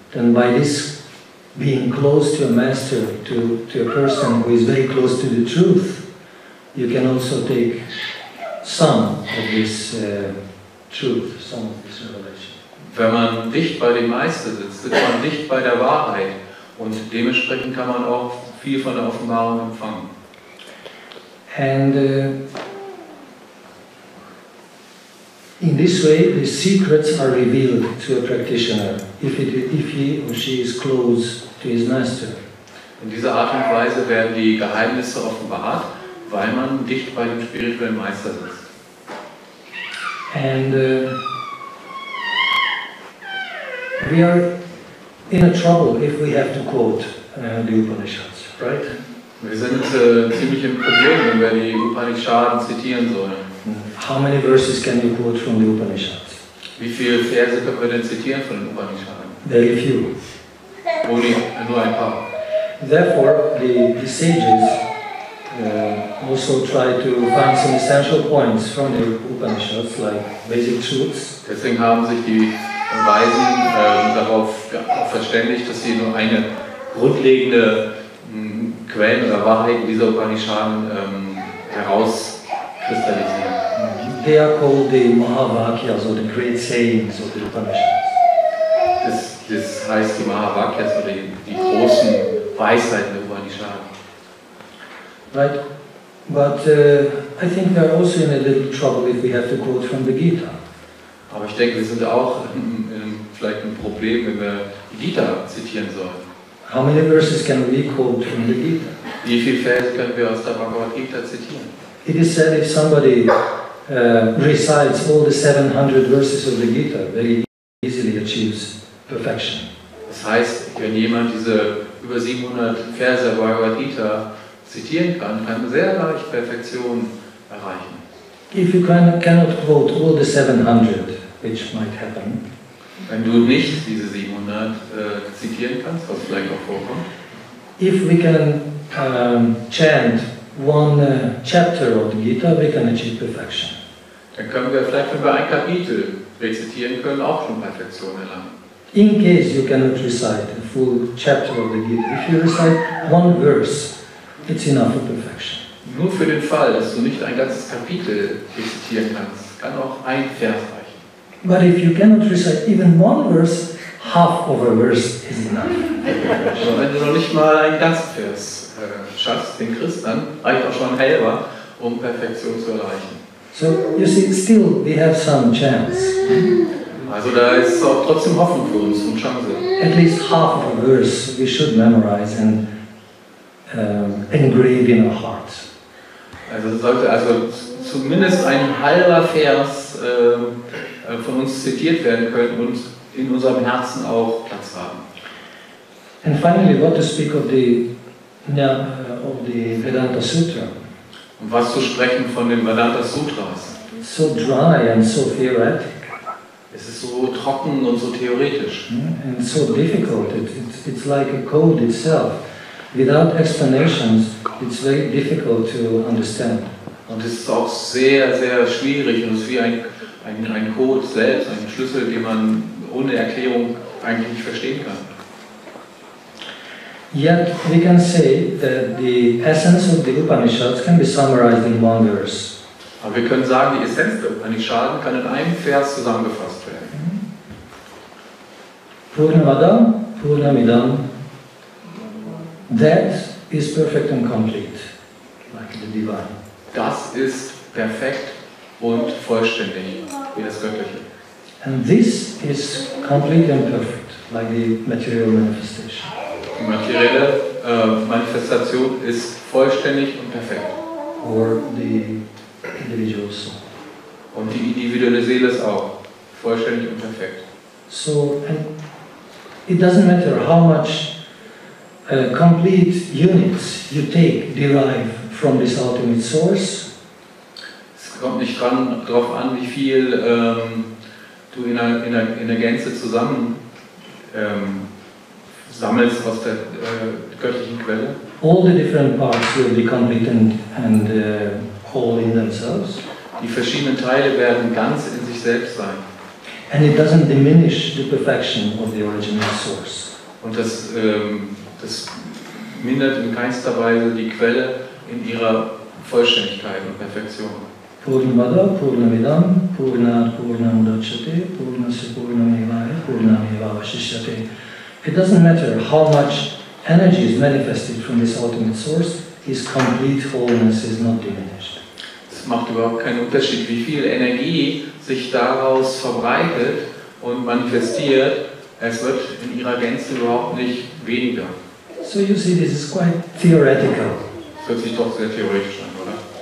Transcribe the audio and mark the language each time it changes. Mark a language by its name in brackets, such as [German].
[English] Then by this being close to a master, to a person who is very close to the truth, you can also take some of this truth, some of this revelation. [German] Wenn man dicht bei dem Meister sitzt, sitzt man dicht bei der Wahrheit und dementsprechend kann man auch viel von der Offenbarung empfangen. [English] And in this way the secrets are revealed to a practitioner if he or she is close to his master. [German] In dieser Art und Weise werden die Geheimnisse offenbart, weil man dicht bei dem spirituellen Meister ist. [English] And we are in a trouble if we have to quote the Upanishads, right? [German] Wir sind ziemlich im Problem, wenn wir die Upanishaden zitieren sollen. [English] How many verses can you quote from the Upanishads? [German] Wie viele Verse können wir denn zitieren von den Upanishaden? [English] Very few. Only, [German] nur ein paar. [English] Therefore, the sages also try to find some essential points from the Upanishads, like basic truths. [German] Deswegen haben sich die Weisen darauf verständigt, dass sie nur eine grundlegende Quellen oder Wahrheiten dieser Upanishaden herauskristallisieren. [English] They are called the Mahavakyas or the great sayings of the Upanishads. [German] Das heißt die Mahavakyas oder die großen Weisheiten der Upanishaden. [English] Right, but I think we are also in a little trouble if we have to quote from the Gita. [German] Aber ich denke, wir sind auch in vielleicht ein Problem, wenn wir die Gita zitieren sollen. [English] How many verses can we quote from the Gita? [German] Wie viele Verse können wir aus der Bhagavad Gita zitieren? [English] It is said if somebody recites all the 700 verses of the Gita, very easily achieves perfection. [German] Das heißt, wenn jemand diese über 700 Verse Bhagavad Gita zitieren kann, kann man sehr leicht Perfektion erreichen. [English] If you cannot quote all the 700, which might happen, [German] wenn du nicht diese 700 zitieren kannst, was vielleicht auch vorkommt, [English] if we can chant one chapter of the Gita, we can achieve perfection. [German] Dann können wir vielleicht, wenn wir ein Kapitel rezitieren können, auch schon Perfektion erlangen. [English] In case you cannot recite a full chapter of the Gita, if you recite one verse, it's enough for perfection. [German] Nur für den Fall, dass du nicht ein ganzes Kapitel rezitieren kannst, kann auch ein Vers reichen. [English] But if you cannot recite even one verse, half of a verse is enough. [German] Aber wenn du noch nicht mal ein ganzes Vers schaffst, den Christen, reicht auch schon halber, um Perfektion zu erreichen. [English] So, you see, still we have some chance. [German] Also da ist auch trotzdem Hoffnung für uns und Chance. [English] At least half of a verse we should memorize and engrave in our hearts. [German] Also sollte also zumindest ein halber Vers von uns zitiert werden können und in unserem Herzen auch Platz haben. [English] And finally, what to speak of the of the Vedanta Sutra. [German] Und was zu sprechen von den Vedanta Sutras? [English] So dry and so theoretical. [German] Es ist so trocken und so theoretisch. [English] And so difficult. It's like a code itself. Without explanations, it's very difficult to understand. [German] Und es ist auch sehr, sehr schwierig. Und es ist wie ein Code selbst, ein Schlüssel, den man ohne Erklärung eigentlich nicht verstehen kann. [English] Yet we can say that the essence of the Upanishads can be summarized in one verse. [German] Aber wir können sagen, die Essenz der Upanishaden kann in einem Vers zusammengefasst werden. [Sanskrit] Purnamidam, Purnamidam, [English] that is perfect and complete, like the divine. [German] Das ist perfekt und vollständig, wie das Göttliche. [English] And this is complete and perfect, like the material manifestation. [German] Die materielle Manifestation ist vollständig und perfekt. [English] Or the individual soul. [German] Und die individuelle Seele ist auch vollständig und perfekt. [English] So, and it doesn't matter how much complete units you take, derive from this ultimate source. [German] Es kommt nicht darauf an, wie viel du in der Gänze zusammen sammelst aus der göttlichen Quelle. [English] All the different parts will be complete and whole in themselves. [German] Die verschiedenen Teile werden ganz in sich selbst sein. [English] And it doesn't diminish the perfection of the original source. [German] Und das das mindert in keinster Weise die Quelle in ihrer Vollständigkeit und Perfektion. [Sanskrit] Purnamada, Purnamidam, Purnat, Purnamudachyate, Purnasya, Purnamevaya, Purnamevavashishyate. [English] It doesn't matter how much energy is manifested from this ultimate source, its complete wholeness is not diminished. [German] Es macht überhaupt keinen Unterschied, wie viel Energie sich daraus verbreitet und manifestiert. es wird in ihrer Gänze überhaupt nicht weniger. [English] So you see, this is quite theoretical. [German] Das hört sich doch sehr theoretisch an, oder?